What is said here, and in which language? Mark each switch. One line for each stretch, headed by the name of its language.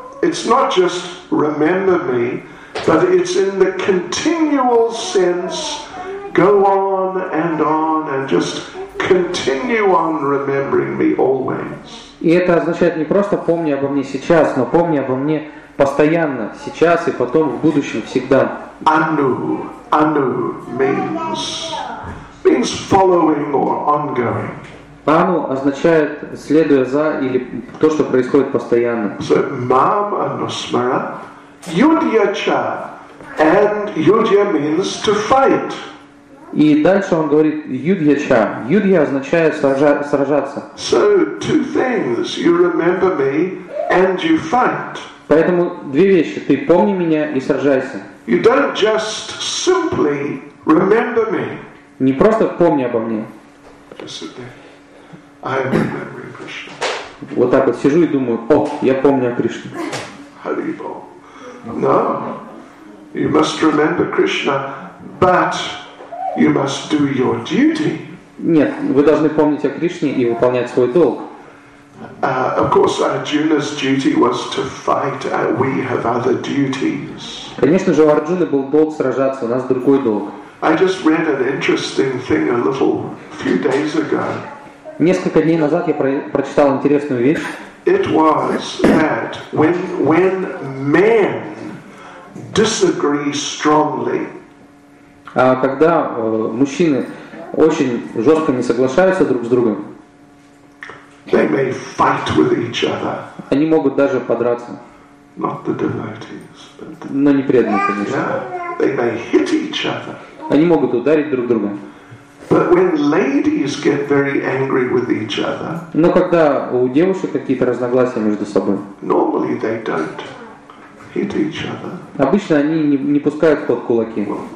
English: It's not just remember me, but it's in the continual sense, go on and just continue on remembering me always.
Russian: И это означает не просто помни обо мне сейчас, но помни обо мне постоянно, сейчас и потом, в будущем, всегда.
English: Anu, anu means following or ongoing.
Russian: Ману означает следуя за или то, что происходит постоянно.
English: So
Sanskrit: mam anusmara yudyacha,
English: and yudya means to fight.
Russian: И дальше он говорит «юдья-ча». «Юдья» означает «сражаться».
English: So, two things. You remember me and you fight.
Russian: Поэтому две вещи. Ты помни меня и сражайся.
English: You don't just simply remember me.
Russian: Не просто помни обо мне.
English: I'm remembering Krishna.
Russian: Вот так вот сижу и думаю, о, я помню о Кришне.
English: No. You must remember Krishna, but you must do your duty.
Russian: Нет, вы должны помнить о Кришне и выполнять свой долг.
English: Of course, Arjuna's duty was to fight. We have other duties.
Russian: Конечно же, у Арджуны был долг сражаться, у нас другой долг.
English: I just read an interesting thing a little few days ago.
Russian: Несколько дней назад я прочитал интересную вещь.
English: It was that when men disagree strongly.
Russian: Когда мужчины очень жестко не соглашаются друг с другом.
English: They may fight with each other.
Russian: Они могут даже подраться.
English: Not the devotees, but
Russian: но не преданные, конечно.
English: Yeah. They may hit each other.
Russian: Они могут ударить друг друга.
English: But when ladies get very angry with each other.
Russian: Но когда у девушек какие-то разногласия между собой.
English: Normally they don't hit each other.
Russian: Обычно они не пускают под кулаки.